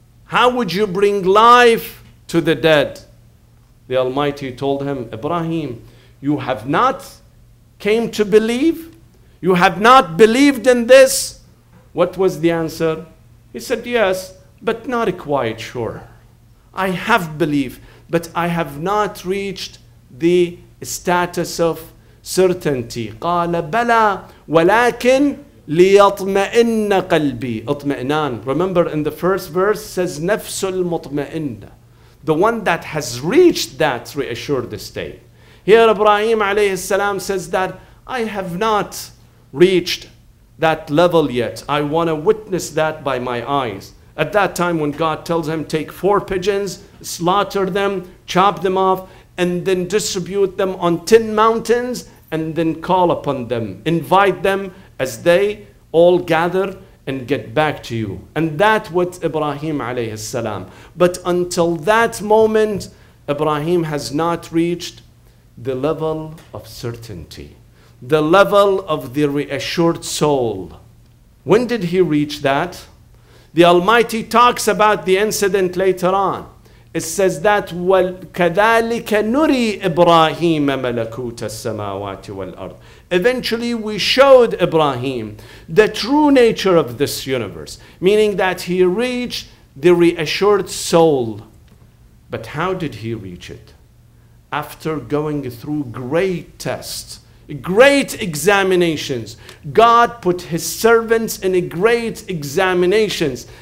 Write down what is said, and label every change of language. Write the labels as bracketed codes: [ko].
[en] How would you bring life to the dead? The Almighty told him, Ibrahim, you have not came to believe? You have not believed in this? What was the answer? He said, yes, but not quite sure. I have belief, but I have not reached the status of certainty. [ar] قال بلى ولكن ليطمئن قلبي اطمئنان. [en] Remember in the first verse says [ar] نفس المطمئن, [en] the one that has reached that reassured state. Here Ibrahim [ar] عليه السلام [en] says that I have not reached that level yet. I want to witness that by my eyes. At that time when God tells him, take 4 pigeons, slaughter them, chop them off, and then distribute them on 10 mountains, and then call upon them, invite them as they all gather and get back to you. And that was Ibrahim alayhi salam. But until that moment, Ibrahim has not reached the level of certainty, the level of the reassured soul. When did he reach that? The Almighty talks about the incident later on. [ar] It says that وَكَذَلِكَ نُرِي إِبْرَاهِيمَ مَلَكُوتَ السَّمَاوَاتِ وَالْأَرْضِ. [en] Eventually we showed Ibrahim the true nature of this universe, meaning that he reached the reassured soul. But how did he reach it? After going through great tests, great examinations, God put his servants in a great examinations.